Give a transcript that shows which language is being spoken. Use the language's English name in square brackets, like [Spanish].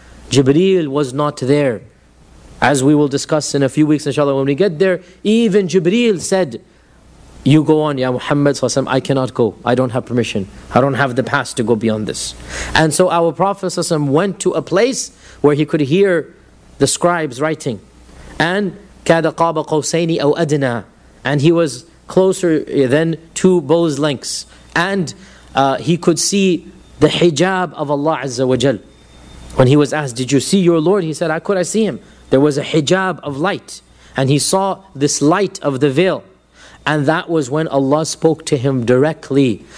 [English] Jibreel was not there. As we will discuss in a few weeks, inshallah, when we get there, even Jibreel said, you go on, Ya Muhammad, I cannot go. I don't have permission. I don't have the pass to go beyond this. And so our Prophet went to a place where he could hear the scribes writing. [Arabic] And كَادَ قَابَ قَوْسَيْنِ أَوْ أَدْنَى. [English] And he was closer than two bow's lengths. And he could see the hijab of Allah Azza wa Jal. When he was asked, did you see your Lord? He said, how could I see him? There was a hijab of light. And he saw this light of the veil. And that was when Allah spoke to him directly.